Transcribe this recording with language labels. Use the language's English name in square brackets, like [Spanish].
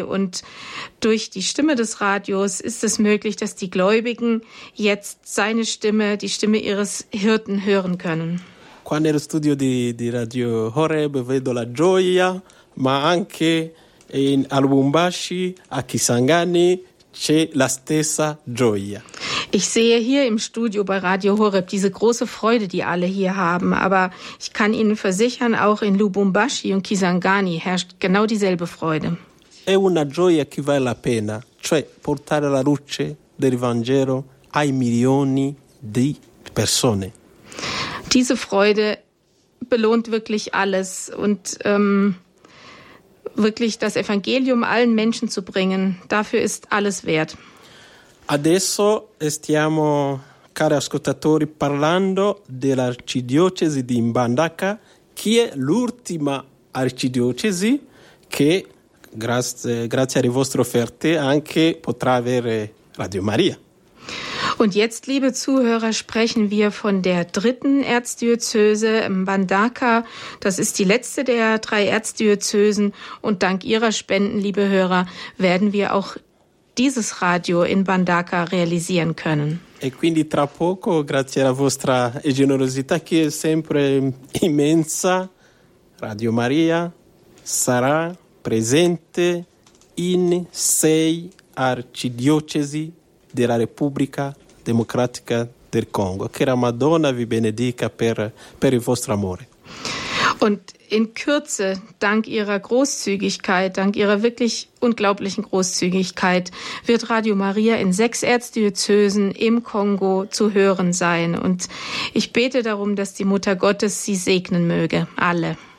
[German] Und durch die Stimme des Radios ist es möglich, dass die Gläubigen jetzt seine Stimme, die Stimme ihres Hirten hören können. [Italian] Qua nello studio di Radio Horeb vedo la gioia, ma anche in Lubumbashi, a Kisangani, c'è la stessa gioia. [German] Ich sehe hier im Studio bei Radio Horeb diese große Freude, die alle hier haben. Aber ich kann Ihnen versichern, auch in Lubumbashi und Kisangani herrscht genau dieselbe Freude. [Italian] È una gioia che vale la pena, cioè portare la luce del Vangelo ai milioni di persone. [German] Diese Freude belohnt wirklich alles und wirklich das Evangelium allen Menschen zu bringen, dafür ist alles wert. [Italian] Adesso stiamo, cari ascoltatori, parlando dell'arcidiocesi di Mbandaka, che è l'ultima arcidiocesi che, grazie alle vostre offerte, anche potrà avere Radio Maria. [German] Und jetzt, liebe Zuhörer, sprechen wir von der dritten Erzdiözese Mbandaka. Das ist die letzte der drei Erzdiözesen. Und dank Ihrer Spenden, liebe Hörer, werden wir auch dieses Radio in Mbandaka realisieren können. [Italian] E quindi tra poco, grazie alla vostra generosità che è sempre immensa, Radio Maria sarà presente in sei arcidiocesi della Repubblica Democratica del Congo. Che la Madonna vi benedica per il vostro amore. [German] Und in Kürze, dank ihrer Großzügigkeit, dank ihrer wirklich unglaublichen Großzügigkeit, wird Radio Maria in sechs Erzdiözesen im Kongo zu hören sein. Und ich bete darum, dass die Mutter Gottes sie segnen möge, alle.